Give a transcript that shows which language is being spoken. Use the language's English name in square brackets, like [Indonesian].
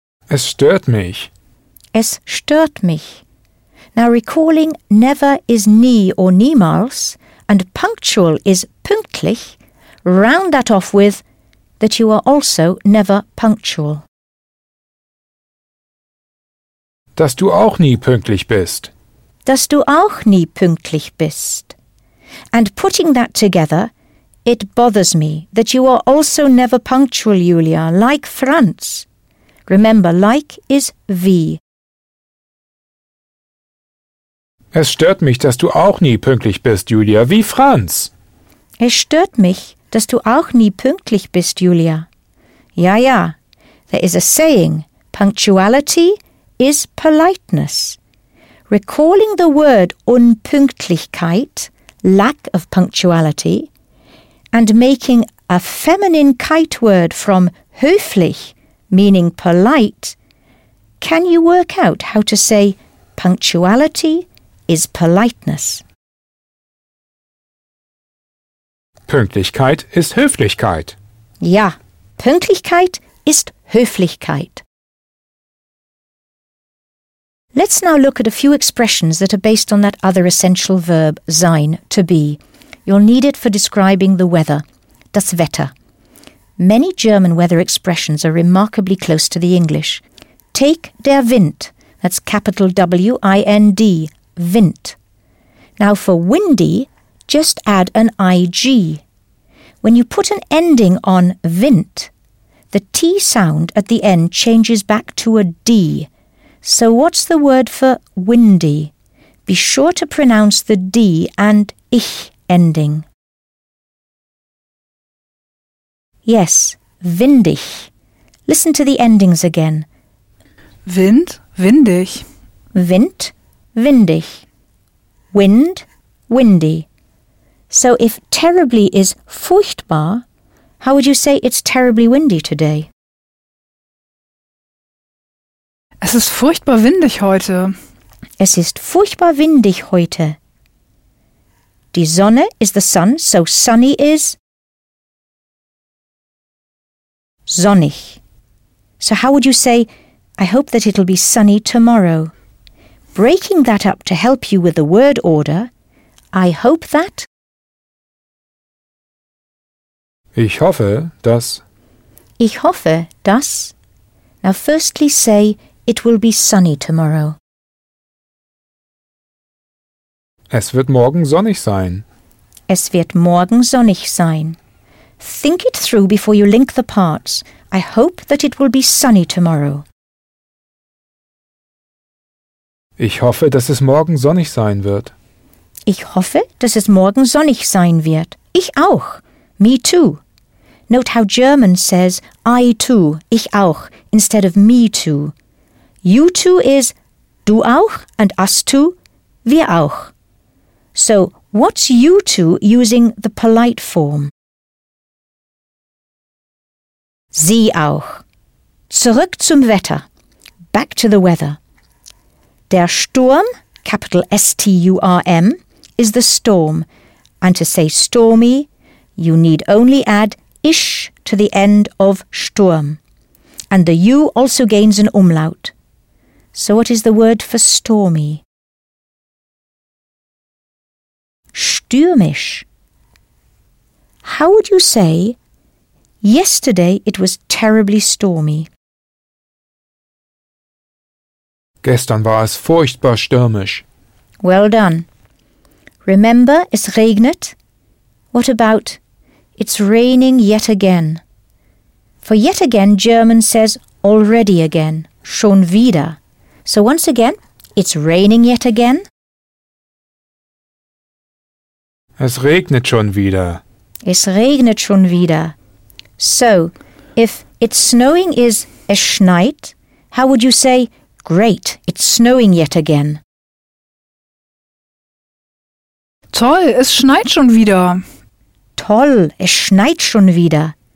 [German] Es stört mich. Es stört mich. [English] Now recalling never is nie or niemals, and punctual is pünktlich, round that off with that you are also never punctual. [German] Dass du auch nie pünktlich bist. Dass du auch nie pünktlich bist. [English] And putting that together, it bothers me that you are also never punctual, Julia, like Franz. Remember, like is wie. [German] Es stört mich, dass du auch nie pünktlich bist, Julia, wie Franz. Es stört mich, dass du auch nie pünktlich bist, Julia. [English] Ja, ja, there is a saying, punctuality is politeness. Recalling the word Unpünktlichkeit, lack of punctuality, and making a feminine kite word from höflich, meaning polite, can you work out how to say punctuality is politeness? [German] Pünktlichkeit ist Höflichkeit. Ja, Pünktlichkeit ist Höflichkeit. [English] Let's now look at a few expressions that are based on that other essential verb, sein, to be. You'll need it for describing the weather, das Wetter. Many German weather expressions are remarkably close to the English. Take der Wind, that's capital W-I-N-D, Wind. Now for windy, just add an I-G. When you put an ending on Wind, the T sound at the end changes back to a D. So what's the word for windy? Be sure to pronounce the D and ich ending. Yes, windig. Listen to the endings again. [German] Wind, windig. [English] Wind, windig. Wind, windy. So if terribly is furchtbar, how would you say it's terribly windy today? [German] Es ist furchtbar windig heute. Es ist furchtbar windig heute. [English] Die Sonne is the sun, so sunny is sonnig. So how would you say, I hope that it'll be sunny tomorrow? breaking that up to help you with the word order, I hope that... [German] Ich hoffe, dass... Ich hoffe, dass... [English] Now firstly say, it will be sunny tomorrow. [German] Es wird morgen sonnig sein. Es wird morgen sonnig sein. [English] Think it through before you link the parts. I hope that it will be sunny tomorrow. [German] Ich hoffe, dass es morgen sonnig sein wird. Ich hoffe, dass es morgen sonnig sein wird. Ich auch. [English] Me too. Note how German says, I too, [German] ich auch, [English] instead of me too. You too is, [German] du auch, [English] and us too, [German] wir auch. [English] So, what's you too using the polite form? [German] Sie auch. Zurück zum Wetter. [English] Back to the weather. Der Sturm, capital S-T-U-R-M, is the storm. And to say stormy, you need only add ish to the end of Sturm. And the U also gains an umlaut. So what is the word for stormy? Stürmisch. How would you say, yesterday it was terribly stormy? [German] Gestern war es furchtbar stürmisch. [English] Well done. Remember, [German] es regnet? [English] What about, it's raining yet again? For yet again, German says already again, [German] schon wieder. [English] So once again, it's raining yet again? [German] Es regnet schon wieder. Es regnet schon wieder. [English] So, if it's snowing is [German] es schneit, [English] how would you say, great, it's snowing yet again? [German] Toll, es schneit schon wieder. Toll, es schneit schon wieder.